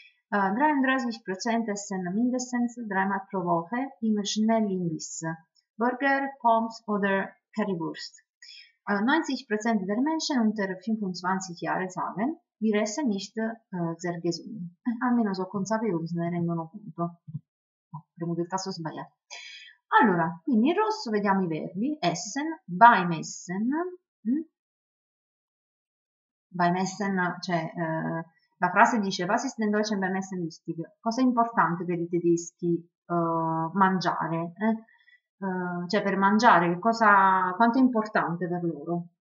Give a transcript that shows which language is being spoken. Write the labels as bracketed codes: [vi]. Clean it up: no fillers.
[de] 33% essen mindestens dreimal pro Woche im Schnellimbiss, Burger, Pommes oder Currywurst. 90% der Menschen unter 25 Jahren sagen, wir essen nicht sehr gesund. [it] Almeno sono consapevoli, se ne rendono conto. Oh, premuto il tasto sbagliato. Allora, quindi in rosso vediamo i verbi, essen, beim Essen. Beim Essen, cioè, la frase dice, [de] was ist denn Deutschland beim Essen wichtig? [it] Cosa è importante per i tedeschi mangiare? Cioè, per mangiare, quanto è importante per loro?